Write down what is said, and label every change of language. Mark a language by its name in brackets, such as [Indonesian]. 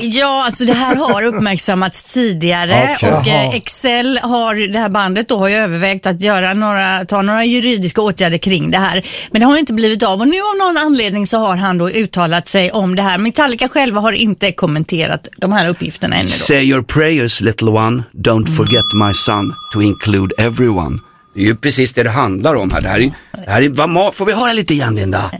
[Swedish] Ja, alltså det här har uppmärksammats tidigare. Okay. Och Excel har, det här bandet då, har ju övervägt att ta några juridiska åtgärder kring det här. Men det har ju inte blivit av. Och nu av någon anledning så har han då uttalat sig om det här. Metallica själva har inte kommenterat de här uppgifterna ännu då. [English] Say your prayers, little one, don't forget my son, to include everyone. [Swedish] Det är ju precis det handlar om här. Det här är, får vi höra lite igen, Linda?